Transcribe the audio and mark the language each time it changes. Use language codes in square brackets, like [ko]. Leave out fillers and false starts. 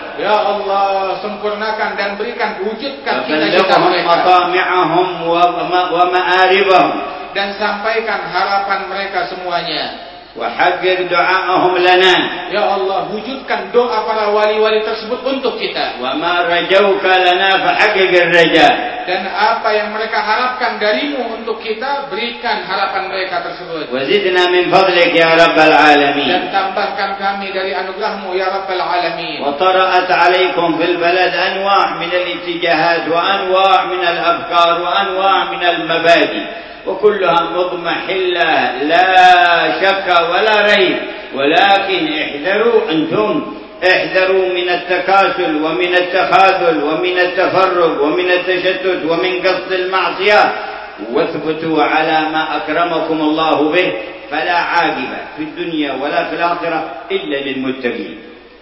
[id] Ya Allah, sempurnakan dan berikan, wujudkan cita-cita mereka. [ar] Mataami'ahum wa ma'aribahum. [id] Dan sampaikan harapan mereka semuanya. [ar] وحقق دعاءهم لنا. [id] يا الله, wujudkan doa para wali-wali tersebut untuk kita. [ar] وما رجوك لنا فحقق الرجاء. [id] Dan apa yang mereka harapkan darimu untuk kita, berikan harapan mereka tersebut. [ar] وزدنا من فضلك يا رب العالمين. [id] Dan tambahkan kami dari anugerahmu ya [ar] رب العالمين. وطرأت عليكم في البلد أنواع من الاتجاهات وأنواع من الأفكار وأنواع من المبادئ. وكلها مضمحلة لا شك ولا ريب, ولكن احذروا أنتم, احذروا من التكاسل ومن التخاذل ومن التفرق ومن التشتت ومن قصد المعصية, واثبتوا على ما أكرمكم الله به, فلا عاقبة في الدنيا ولا في الآخرة إلا للمتقين.